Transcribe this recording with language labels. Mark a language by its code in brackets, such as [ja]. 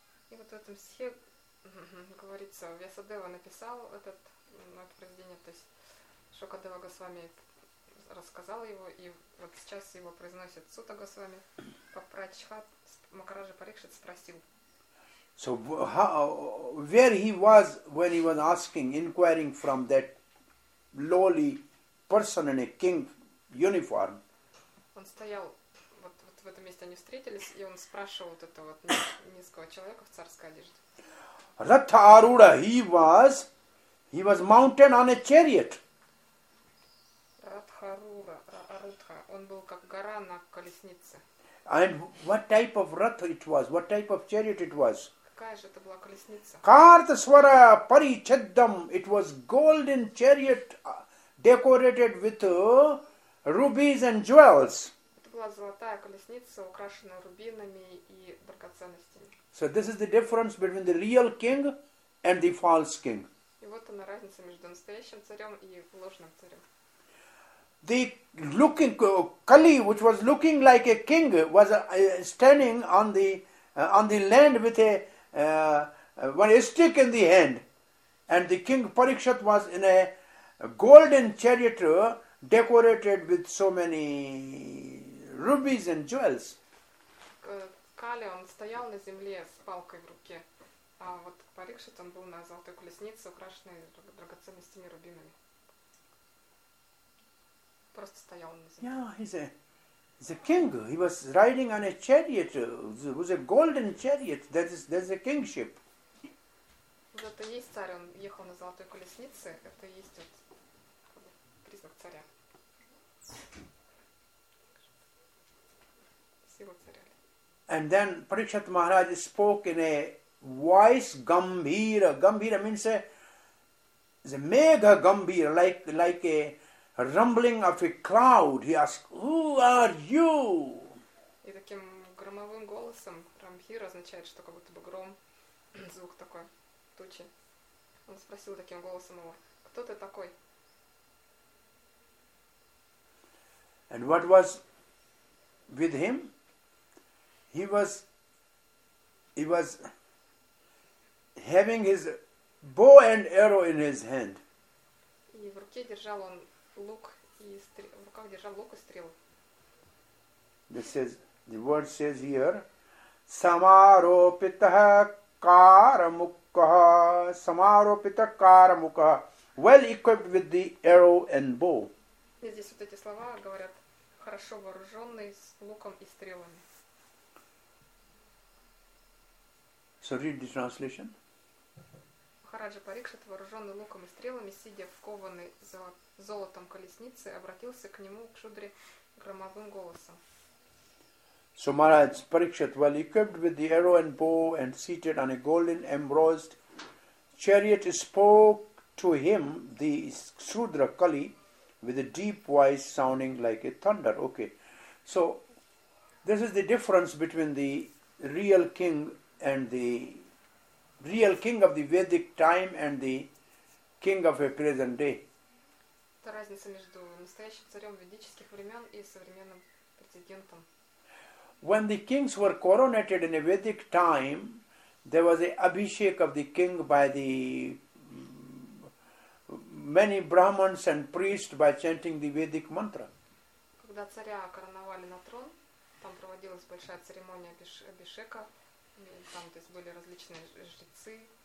[ru] В этом стихе говорится, Вьясадева написал это произведение, то есть Шокадева Госвами рассказал его, и вот сейчас его произносит Сута Госвами, Папрачхат Макараджа Парикшит спросил. [en] So where he was when he was asking, inquiring from that lowly person in a king uniform? [ru] Он стоял в этом месте, они встретились, и он спрашивал вот этого вот низкого человека в царской одежде. [sa] Ратха Аруда, [en] he was mounted on a chariot. [sa] Ратха Арудха, [ru] он был как гора на колеснице. [en] And what type of rath it was? What type of chariot it was? [ru] Какая же это была колесница? [sa] Картасвара Паричаддам, [en] it was golden chariot decorated with rubies and jewels. [ru] Была золотая колесница, украшенная рубинами и драгоценностями. [en] So this is the difference between the real king and the false king. [ru] И вот она разница между настоящим царем и ложным царем. [en] The looking Kali, which was looking like a king, was standing on the land with a one stick in the hand, and the king Parikshit was in a golden chariot decorated with so many rubies and jewels. [ru] Кали, он стоял на земле с палкой в руке, а вот Парикшит, он был на золотой колеснице, украшенной драгоценностями и рубинами. Просто стоял на земле. [en] Yeah, he's a king. He was riding on a chariot. It was a golden chariot. That's a kingship. [ru] Вот это и есть царь, он ехал на золотой колеснице. Это и есть вот признак царя. [en] And then Parikshit Maharaj spoke in a voice gambhira. Gambhira means a mega gambhira, like a rumbling of a cloud. He asked, "Who are you?" [ru] И таким громовым голосом рамхира означает, что как будто бы гром, звук такой тучи. Он спросил таким голосом его, "Кто ты такой?" [en] And what was with him? He was having his bow and arrow in his hand. [ru] И в руке держал он лук и в руках держал лук и стрелы. [en] This says the word says here, [sa] samaropita karamukha, samaropita karamukha, [en] well equipped with the arrow and bow. [ru] И здесь вот эти слова говорят, хорошо вооруженный с луком и стрелами. [en] So read the translation. [ru] Махараджа Парикшит, вооруженный луком и стрелами, сидя в кованой золотом колеснице, обратился к нему к шудре громовым голосом. [en] So Maharaj Parikshit, well equipped with the arrow and bow and seated on a golden embossed chariot, spoke to him the Shudra Kali with a deep voice sounding like a thunder. Okay. So this is the difference between the real king and the real king of the Vedic time and the king of a present day. [ru] Это разница между настоящим царем ведических времен и современным президентом. [en] When the kings were coronated in a Vedic time, there was an abhishek of the king by the many Brahmins and priests by chanting the Vedic mantra. [ru] когда царя короновали на трон, там проводилась большая церемония Абишека, там то есть были различные жрецы.